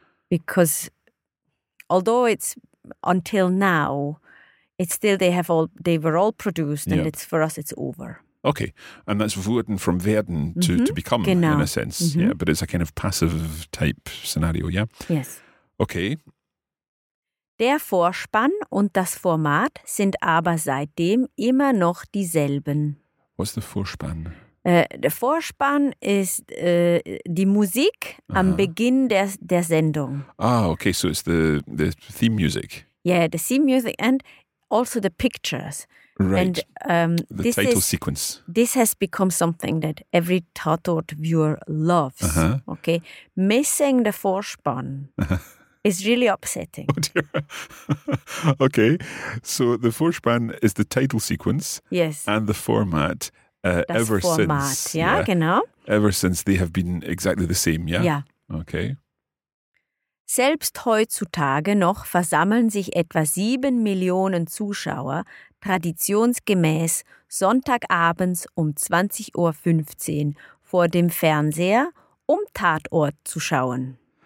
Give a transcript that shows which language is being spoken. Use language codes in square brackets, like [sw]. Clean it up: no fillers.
[en] Because although it's until now, it's still they were all produced and it's for us it's over. Okay. And that's wurden from werden to, to become [de] genau. [en] In a sense. Mm-hmm. Yeah. But it's a kind of passive type scenario, yeah? Yes. Okay. [de] Der Vorspann und das Format sind aber seitdem immer noch dieselben. [en] What's the Vorspann? [de] Der Vorspann ist die Musik am Beginn der Sendung. [en] Ah, okay, so it's the theme music. Yeah, the theme music and also the pictures. Right, and, the title sequence. This has become something that every Tatort viewer loves, okay? Missing the Vorspann. It's really upsetting. Oh dear. Okay. So the Vorspann is the title sequence. Yes. And the format ever since they have been exactly the same, yeah? Yeah. Okay. [de] Selbst heutzutage noch versammeln sich etwa 7 Millionen Zuschauer traditionsgemäß sonntagabends um 20.15 Uhr vor dem Fernseher, um Tatort zu schauen.